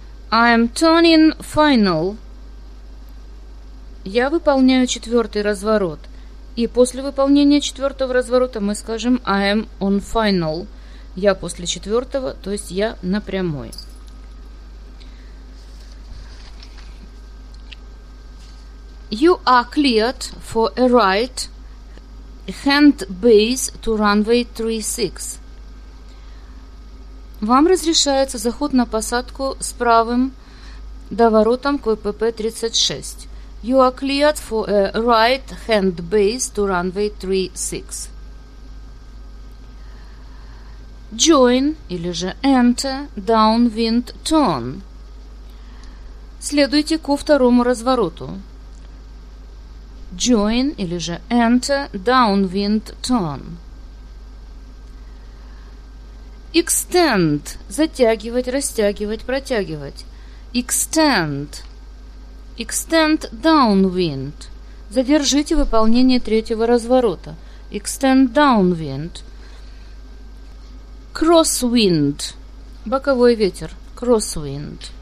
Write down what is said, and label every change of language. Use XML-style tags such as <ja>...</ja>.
<en>I am turning final.</en> <ru>Я выполняю четвертый разворот. И после выполнения четвертого разворота мы скажем</ru> <en>I am on final.</en> <ru>Я после четвертого, то есть я на прямой.</ru> <en>You are cleared for a right hand base to runway 36.</en> <ru>Вам разрешается заход на посадку с правым доворотом к ВПП 36.</ru> <en>You are cleared for a right hand base to runway 36. Join</en> <ru>или же</ru> <en>enter downwind turn.</en> <ru>Следуйте ко второму развороту.</ru> <en>Join</en> <ru>или же</ru> <en>enter downwind turn. Extend.</en> <ru>Затягивать, растягивать, протягивать.</ru> <en>Extend. Extend downwind.</en> <ru>Задержите выполнение третьего разворота.</ru> <en>Extend downwind. Crosswind.</en> <ru>Боковой ветер.</ru> <en>Crosswind.</en>